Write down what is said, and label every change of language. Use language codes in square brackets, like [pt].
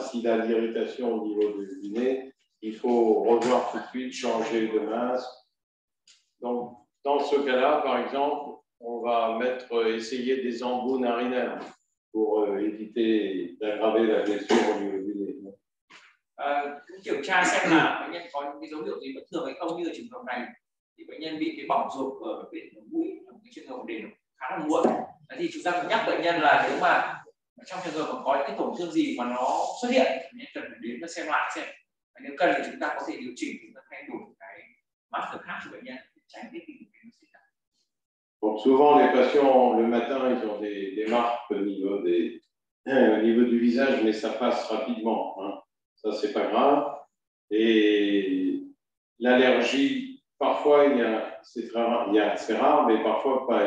[fr] S'il a de l'irritation au niveau du nez, il faut revoir tout de suite, changer de masque. Donc, dans ce cas-là, par exemple, on va essayer des embouts narinaires pour éviter d'aggraver la blessure au niveau du nez. [vi] Kiểm tra xem là bệnh nhân có những cái dấu hiệu gì bất thường hay không, như ở trường hợp này thì bệnh nhân bị cái bỏng ruột ở bên mũi, cái trường hợp đến khá là muộn. Thì chúng ta cũng nhắc bệnh nhân là nếu mà trong trường hợp mà có những cái tổn thương gì mà nó xuất hiện thì bệnh nhân cần phải đến và xem lại xem. Và nếu cần thì chúng ta có thể điều chỉnh, chúng ta thay đổi cái mask khác cho bệnh nhân để tránh cái tình trạng nó xảy ra. [fr] Bon, souvent les patients le matin ils ont des marques au niveau du visage, mais ça passe rapidement, hein. Ça, c'est pas grave. Et l'allergie, parfois, c'est rare, mais parfois, pas.